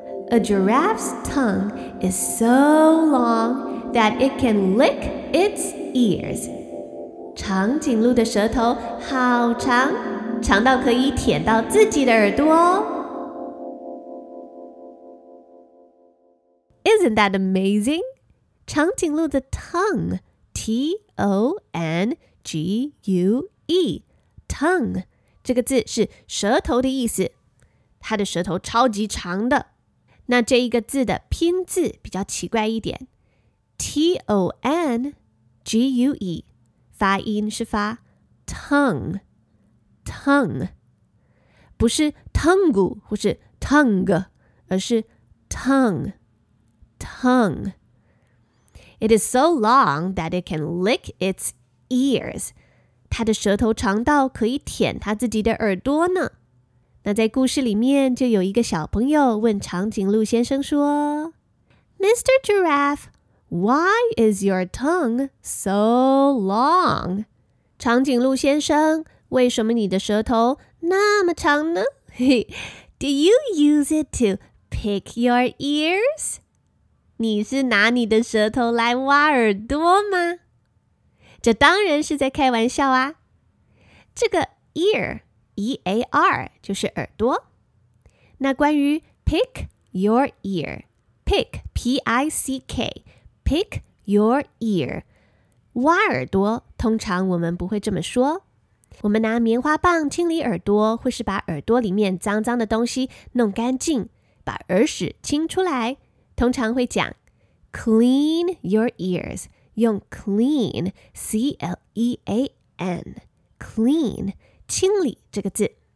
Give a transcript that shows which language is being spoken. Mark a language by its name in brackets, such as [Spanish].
[English] A giraffe's tongue is so long that it can lick its ears. [Chinese] 长颈鹿的舌头好长，长到可以舔到自己的耳朵。 [English] Isn't that amazing? [Chinese] 长颈鹿的 tongue, T-O-N-G-U-E, tongue, 这个字是舌头的意思。它的舌头超级长的。那这一个字的拼字比较奇怪一点 [English] T-O-N-G-U-E [Chinese] 发音是发 Tongue Tongue 不是 Tongue 或是 Tongue 而是 Tongue Tongue [English] It is so long that it can lick its ears [Chinese] 它的舌头长到可以舔它自己的耳朵呢那在故事里面就有一个小朋友问长颈鹿先生说 [English] Mr. Giraffe, why is your tongue so long? [Chinese] 长颈鹿先生,为什么你的舌头那么长呢? [English] Do you use it to pick your ears? [Chinese] 你是拿你的舌头来挖耳朵吗? 这当然是在开玩笑啊。这个 ear,E-A-R, 就是耳朵。那关于 [English] pick your ear, [Chinese] pick, P-I-C-K, pick your ear, 挖耳朵通常我们不会这么说。我们拿棉花棒清理耳朵或是把耳朵里面脏脏的东西弄干净把耳屎清出来通常会讲 [English] clean your ears, [Chinese] 用 clean, C-L-E-A-N, clean,清理这个字